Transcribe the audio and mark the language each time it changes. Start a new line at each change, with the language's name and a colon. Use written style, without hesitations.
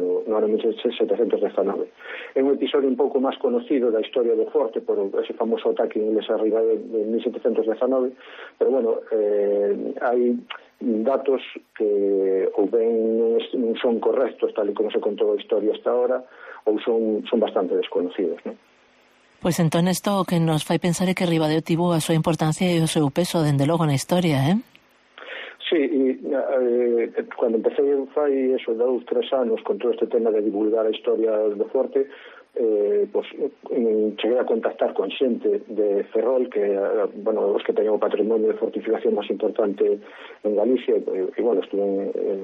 Galician: No ano 1719. É un episodio un pouco máis conocido da historia do forte por ese famoso ataque inglés arriba de
Spanish: 1719, pero bueno, hay datos que o bien no son correctos tal y como se contó la historia hasta ahora, o son bastante desconocidos, ¿no?
Galician: Pues entón esto que nos fai pensar é que Ribadeo tivo a súa importancia e o seu peso, dende logo, na historia, Sí, e cando empecé fai eso, dous, tres anos, con todo este tema de divulgar a historia do Forte, pues, cheguei a contactar con xente de Ferrol, que, bueno, os que teñen o patrimonio de fortificación máis importante en Galicia, e bueno, estuve